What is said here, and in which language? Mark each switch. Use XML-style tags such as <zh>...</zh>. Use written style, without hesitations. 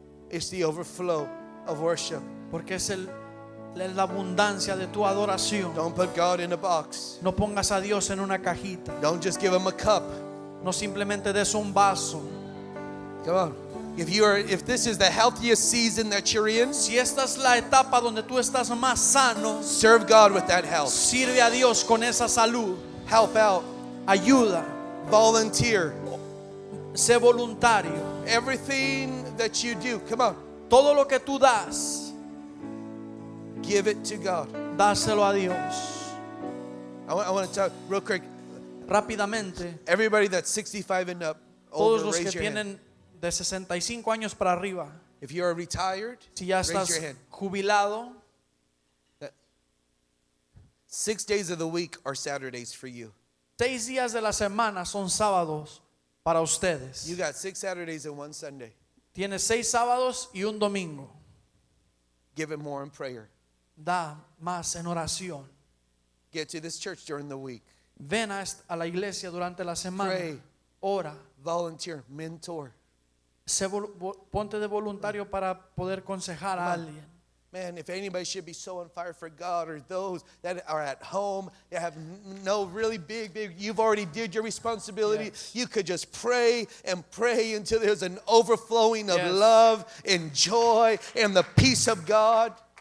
<en>It's the overflow of worship.</en> <es>Porque es la abundancia de tu adoración.</es> <en>Don't put God in a box.</en> <es>No pongas a Dios en una cajita.</es> <en>Don't just give him a cup.</en> <es>No simplemente des un vaso.</es> <en>Come on. If this is the healthiest season that you're in,</en> <es>si esta es la etapa donde tú estás más sano,</es> <en>serve God with that health.</en> <es>Sirve a Dios con esa salud.</es> <en>Help out.</en> <es>Ayuda.</es> <en>Volunteer.</en> <es>Sé voluntario.</es> <en>Everything that you do, come on.</en> <es>Todo lo que tú das,</es> <en>give it to God.</en> <es>Dáselo a Dios.</es> <en>I want to talk real quick.</en> <es>rápidamente.</es> <en>Everybody that's 65 and up,</en> <es>todos los que tienen de 65 años para arriba.</es> <en>If you are retired,</en> <es>si ya estás jubilado.</es> <en>6 days of the week are Saturdays for you.</en> <es>6 días de la semana son sábados para ustedes.</es> <en>You got 6 Saturdays and 1 Sunday.</en> <es>Tienes 6 sábados y un domingo.</es> <en>Give it more in prayer.</en> <es>Da más en oración.</es> <en>Get to this church during the week.</en> <es>Ven a la iglesia durante la semana.</es> <en>Pray.</en> <es>Ora.</es> <en>Volunteer. Mentor.</en> <es>Ponte de voluntario para poder aconsejar a alguien.</es> <en>Man, if anybody should be so on fire for God, or those that are at home, they have no really big, you've already did your responsibility. Yes. You could just pray and pray until there's an overflowing of yes. love and joy and the peace of God.</en>